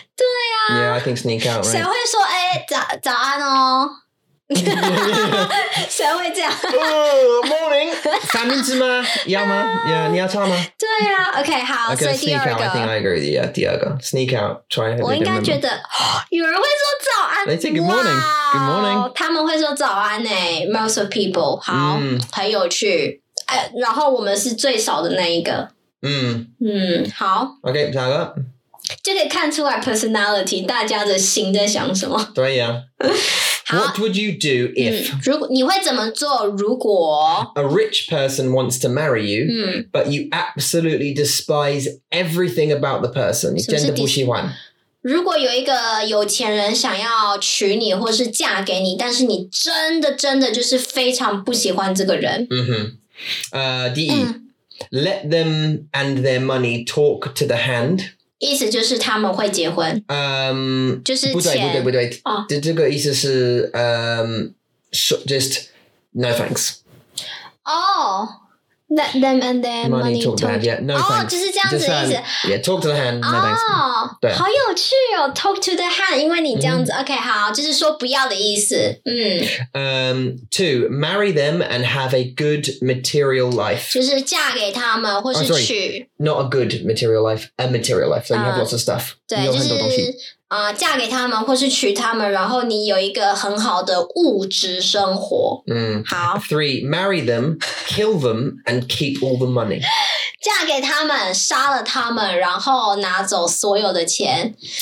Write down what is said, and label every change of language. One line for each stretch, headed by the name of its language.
Chinese: 对。
English: Yeah, I think sneak out, right?
Chinese: 谁会说哎，早安哦？谁会这样？Morning， 三明治吗？要吗？Yeah, 你要擦吗？对啊 ，OK， 好。
English: Okay,
Chinese: 所以第二个
English: sneak out, I think I agree with you. Yeah,
Chinese: 第二个
English: sneak out, try.
Chinese: 我应该觉得、哦、有人会说早安。
English: They say good morning. Wow, good morning.
Chinese: 他们会说早安诶 ，
English: most of people
Chinese: 好、mm. 很有趣。然后我们是最少的那一个。嗯、mm. 嗯，好。 OK， 下一个。就可以看出来 personality 大家的心在想什么。对呀、啊。
English: What would you do if...、
Chinese: 嗯、如果你会怎么做如果...
English: A rich person wants to marry you,、
Chinese: 嗯、
English: but you absolutely despise everything about the person.
Chinese: 你真的不喜欢。如果有一个有钱人想要娶你或是嫁给你但是你真的真的就是非常不喜欢这个人。嗯哼。第一、嗯、
English: let them and their money talk to the hand.
Chinese: 意思就是他们会结婚。嗯、就是不对不对不对。哦、这个意思是
English: just no thanks. 哦、oh, let them and their money talk to the hand, yeah, no、 oh, thanks.
Chinese: 哦就是这样子的意思。
English: Hand, yeah, talk to the hand, no thanks.
Chinese: 哦、 oh, 对。好有趣哦
English: talk to the hand,
Chinese: 因为你这样子、mm-hmm. OK, 好就是说不要的意思。嗯。
English: Two, marry them and have a good material life.
Chinese: 就是嫁给他们或是娶。
English: Oh, sorry. Not a good material life, a material life. So you have lots of stuff.
Chinese: 对，就是啊、嫁给他们或是娶他们，然后你有一个很好的物质生活。嗯，好。
English: Three, marry them, kill them, and keep all the money.
Chinese: 嫁给他们，杀了他们，然后拿走所有的钱。